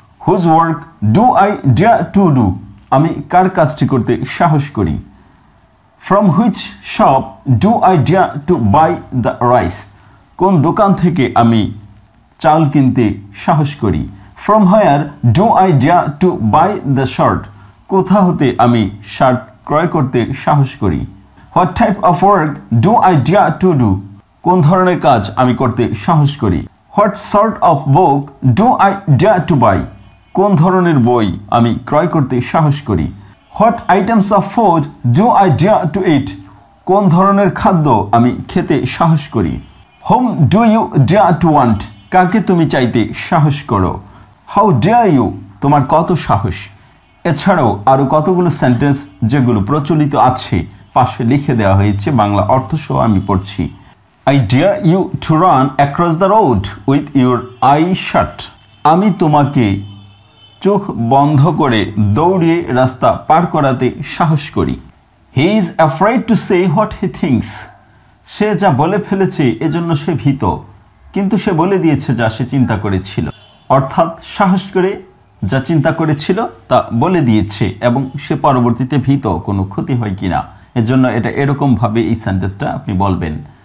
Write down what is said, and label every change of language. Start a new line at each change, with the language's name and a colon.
English: Whose work do I dare to do?
Bangla: আমি কার কাজটি করতে সাহস করি?
English: From which shop do I dare to buy the rice?
Bangla: কোন দোকান থেকে আমি চাল কিনতে সাহস করি?
English: From where do I dare to buy the shirt?
Bangla: কোথা হতে আমি শার্ট ক্রয় করতে সাহস করি?
English: What type of work do I dare to do?
Bangla: কোন ধরনের কাজ আমি করতে সাহস করি?
English: What sort of book do I dare to buy?
Bangla: কোন ধরনের বই আমি ক্রয় করতে সাহস করি?
English: What items of food do I dare to eat?
Bangla: কোন ধরনের খাদ্য আমি খেতে সাহস করি?
English: Whom do you dare to want?
Bangla: কাকে তুমি চাইতে সাহস করো?
English: How dare you?
Bangla: তোমার কত সাহস? এছাড়াও আরও কতগুলো সেন্টেন্স যেগুলো প্রচলিত আছে পাশে লিখে দেওয়া হয়েছে বাংলা অর্থসহ আমি পড়ছি।
English: I dare you to run across the road with your eyes shut.
Bangla: আমি তোমাকে চোখ বন্ধ করে দৌড়িয়ে রাস্তা পার করাতে সাহস করি।
English: He is afraid to say what he thinks.
Bangla: সে যা বলে ফেলেছে এজন্য সে ভীত, কিন্তু সে বলে দিয়েছে যা সে চিন্তা করেছিল। অর্থাৎ সাহস করে যা চিন্তা করেছিল তা বলে দিয়েছে এবং সে পরবর্তীতে ভীত কোনো ক্ষতি হয় কি না এজন্য এটা এরকমভাবে এই সেন্টেন্সটা আপনি বলবেন।